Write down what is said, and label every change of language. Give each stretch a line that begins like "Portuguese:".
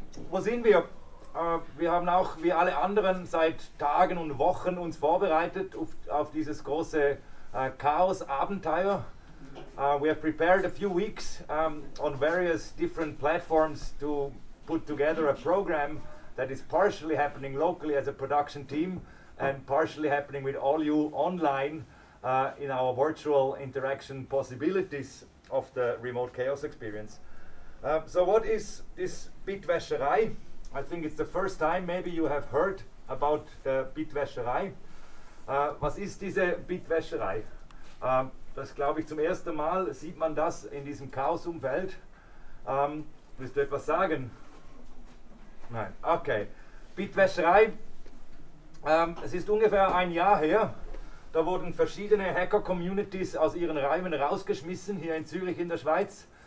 German: Wo sind wir? Wir haben auch, wie alle anderen, seit Tagen und Wochen uns vorbereitet auf dieses große Chaos-Abenteuer.
English: We have prepared a few weeks on various different platforms to put together a program that is partially happening locally as a production team and partially happening with all you online. In our virtual interaction possibilities of the remote chaos experience. So what is this Bitwäscherei? I think it's the first time maybe you have heard about the Bitwäscherei.
German: Was ist diese Bitwäscherei? Das glaube ich zum ersten Mal sieht man das in diesem Chaos-Umfeld. Willst du etwas sagen? Nein, okay. Bitwäscherei, es ist ungefähr ein Jahr her. Da wurden verschiedene Hacker-Communities aus ihren Reihen rausgeschmissen, hier in Zürich in der Schweiz.